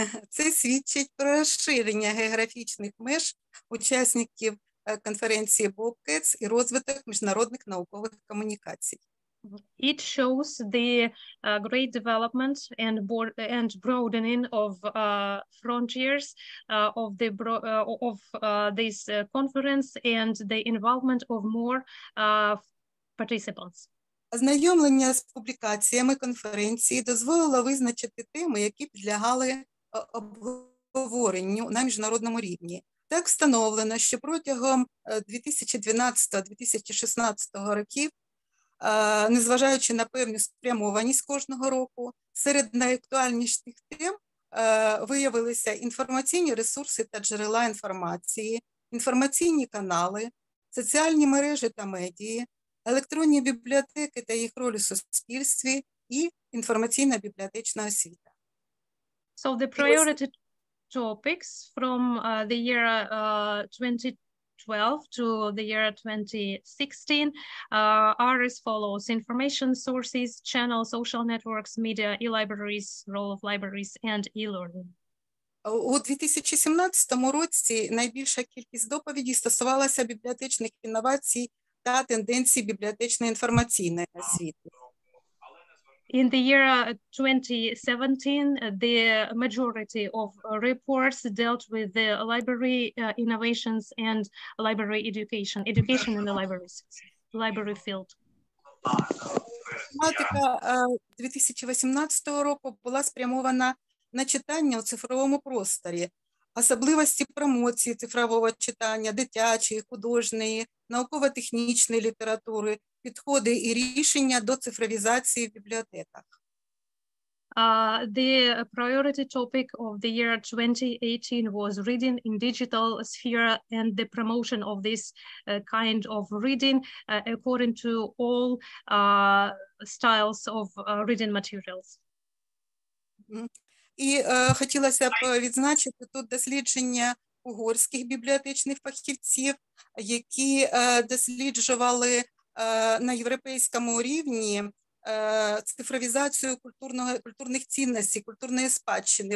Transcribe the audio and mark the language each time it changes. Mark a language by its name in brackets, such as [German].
[Ukrainian] Це свідчить про розширення географічних меж учасників конференції Bobcats і розвиток міжнародних наукових комунікацій. [English] It shows the great development and broadening of frontiers of the this conference and the involvement of more participants. [Ukrainian] Ознайомлення з публікаціями конференції дозволило визначити теми, які підлягали обговоренню на міжнародному рівні. Так встановлено, що протягом 2012-2016 років, незважаючи на певну спрямованість кожного року, серед найактуальніших тем виявилися інформаційні ресурси та джерела інформації, інформаційні канали, соціальні мережі та медії, електронні бібліотеки та їх роль у суспільстві і інформаційна бібліотечна освіта. [English] So the priority topics from the year 2012 to the year 2016 are as follows: information sources, channels, social networks, media, e-libraries, role of libraries and e-learning. [Ukrainian] У 2017 році найбільша кількість доповідей стосувалася бібліотечних інновацій та тенденцій бібліотечно-інформаційної освіти. [English] In the year 2017, the majority of reports dealt with the library innovations and library education, education in the libraries, library field. [Ukrainian] Тематика 2018 року була спрямована на читання у цифровому просторі, особливості промоції цифрового читання, дитячої, художньої, науково-технічної літератури, підходи і рішення до цифровізації в бібліотеках. [English] The priority topic of the year 2018 was reading in digital sphere and the promotion of this kind of reading according to all styles of reading materials. [Ukrainian] І хотілося б відзначити тут дослідження угорських бібліотечних фахівців, які досліджували на європейському рівні цифровізацію культурних цінностей, культурної спадщини.